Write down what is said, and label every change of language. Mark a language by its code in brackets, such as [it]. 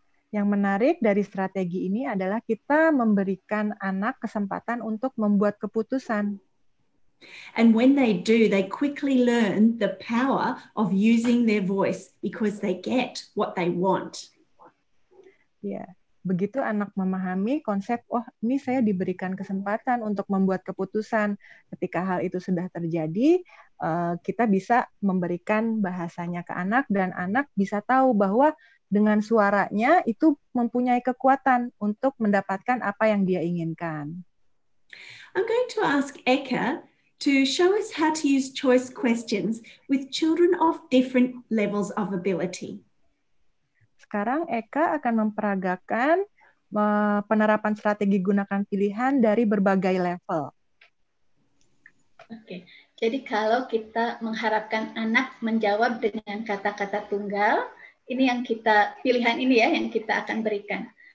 [id] Yang menarik dari strategi ini adalah kita memberikan anak kesempatan untuk membuat keputusan. [en] And when they do, they quickly learn the power of using their voice because they get what they want. Yeah. [id] Begitu anak memahami konsep, oh ini saya diberikan kesempatan untuk membuat keputusan. Ketika hal itu sudah terjadi, kita bisa memberikan bahasanya ke anak dan anak bisa tahu bahwa dengan suaranya itu mempunyai kekuatan untuk mendapatkan apa yang dia inginkan. [en] I'm going to ask Eka to show us how to use choice questions with children of different levels of ability. [id] Sekarang Eka akan memperagakan penerapan strategi gunakan pilihan dari berbagai level. Oke, jadi kalau kita mengharapkan anak menjawab dengan kata-kata tunggal, ini yang kita, pilihan ini ya yang kita akan berikan.